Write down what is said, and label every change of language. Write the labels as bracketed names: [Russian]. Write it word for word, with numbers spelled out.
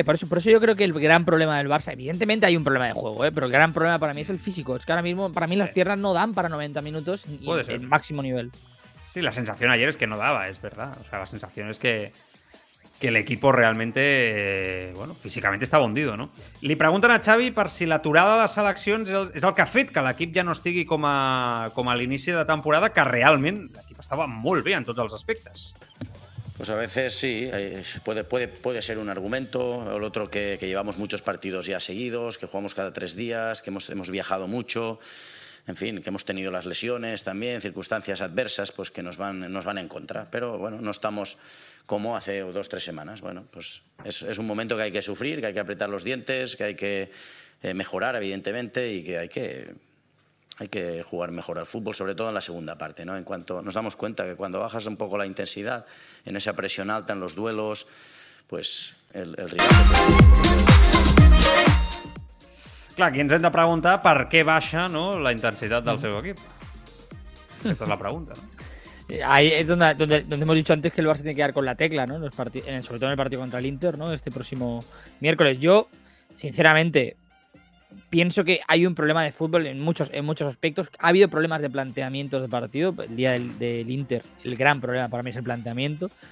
[Spanish] eh, por, eso, por eso yo creo que el gran problema del Barça, evidentemente hay un problema de juego, eh, pero el gran problema para mí es el físico. Es que ahora mismo, para mí, las Sí. piernas no dan para noventa minutos y Puede en- ser. en máximo nivel. Sí, la sensación ayer es que no daba, es verdad. O sea, la sensación es que, que el equipo realmente, eh, bueno, [Catalan] físicament estava [Spanish] hundido, no? [Catalan] Li pregunten a Xavi per si l'aturada de seleccions és el, és el que ha fet que l'equip ja no estigui com a, com a l'inici de temporada, que realment l'equip estava molt bé en tots els aspectes. [Spanish] Pues a veces sí, eh, puede, puede, puede ser un argumento, el otro que, que llevamos muchos partidos ya seguidos, que jugamos cada tres días, que hemos, hemos viajado mucho, en fin, que hemos tenido las lesiones también, circunstancias adversas pues que nos van, nos van en contra. Pero bueno, no estamos como hace dos tres semanas. Bueno, pues es, es un momento que hay que sufrir, que hay que apretar los dientes, que hay que eh, mejorar evidentemente y que hay que hay que jugar mejor al fútbol, sobre todo en la segunda parte, ¿no? En cuanto nos damos cuenta que cuando bajas un poco la intensidad, en esa presión alta, en los duelos, pues el, el rival te puede- [Catalan] Clar, aquí ens hem de preguntar per què baixa, no, la intensitat del seu equip. Aquesta és la pregunta, no? [Spanish] Eh, Ahí es donde, donde, donde hemos dicho antes que el Barça tiene que dar con la tecla, ¿no? En los parti- en el- sobre todo en el partido contra el Inter, ¿no? Este próximo miércoles. Yo, sinceramente, pienso que hay un problema de fútbol en muchos, en muchos aspectos. Ha habido problemas de planteamientos de partido. El día del, del Inter, el gran problema para mí es el planteamiento.